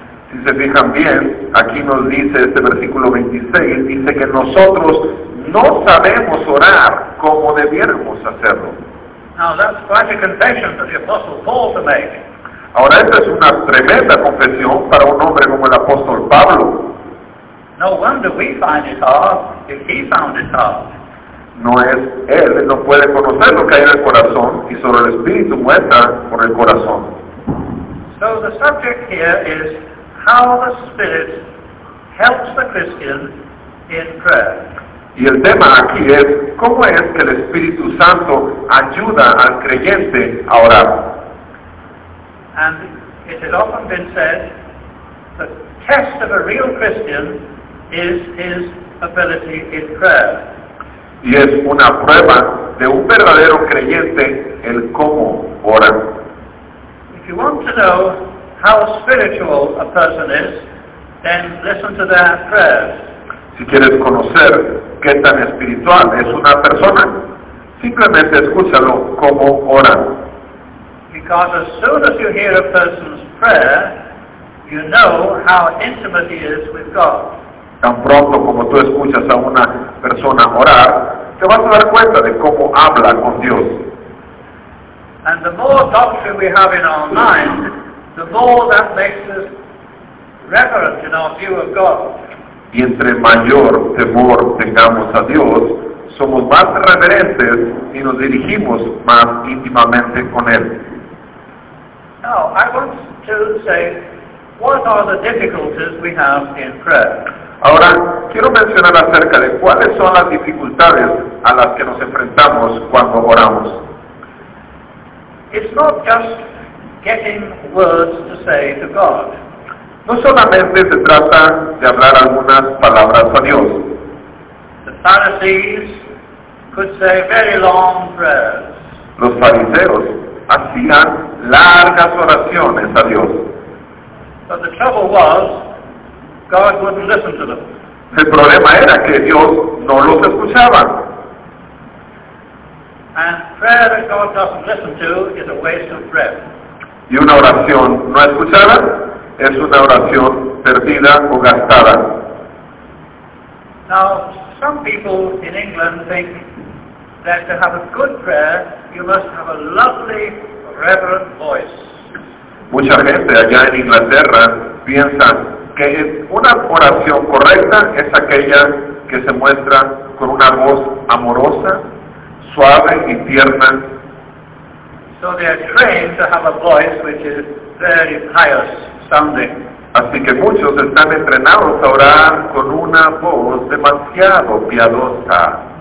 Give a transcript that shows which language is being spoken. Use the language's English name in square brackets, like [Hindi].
[Spanish] Si se fijan bien, aquí nos dice este versículo 26, dice que nosotros no sabemos orar como debiéramos hacerlo. [English] Now that's quite a confession for the Apostle Paul to make. [Spanish] Ahora esta es una tremenda confesión para un hombre como el apóstol Pablo. [English] No wonder we find it hard if he found it hard. [Spanish] No es él, no puede conocer lo que hay en el corazón y solo el Espíritu muestra por el corazón. [English] So the subject here is how the Spirit helps the Christian in prayer. [Spanish] Y el tema aquí es cómo es que el Espíritu Santo ayuda al creyente a orar. [English] And it has often been said the test of a real Christian is his ability in prayer. [Spanish] Y es una prueba de un verdadero creyente el cómo ora. [English] If you want to know how spiritual a person is, then listen to their prayers. [Spanish] Si quieres conocer qué tan espiritual es una persona, simplemente escúchalo cómo ora. [English] Because as soon as you hear a person's prayer, you know how intimate he is with God. [Spanish] Tan pronto como tú escuchas a una persona orar, te vas a dar cuenta de cómo habla con Dios. [English] And the more doctrine we have in our mind, the more that makes us reverent in our view of God. [Spanish] Y entre mayor temor tengamos a Dios, somos más reverentes y nos dirigimos más íntimamente con Él. [English] Now, I want to say, what are the difficulties we have in prayer? [Spanish] Ahora, quiero mencionar acerca de cuáles son las dificultades a las que nos enfrentamos cuando oramos. [English] It's not just getting words to say to God. [Spanish] No solamente se trata de hablar algunas palabras a Dios. [English] The Pharisees could say very long prayers. [Spanish] Los fariseos hacían largas oraciones a Dios. [English] But the trouble was, God wouldn't listen to them. [Spanish] El problema era que Dios no los escuchaba. [English] And prayer that God doesn't listen to is a waste of breath. [Spanish] Y una oración no escuchada es una oración perdida o gastada. [English] Now, some people in England think that to have a good prayer, you must have a lovely, reverent voice. [Spanish] Mucha gente allá en Inglaterra piensa que una oración correcta es aquella que se muestra con una voz amorosa, suave y tierna. [English] So they are trained to have a voice which is very pious. [Spanish] Así que muchos están entrenados a orar con una voz demasiado piadosa.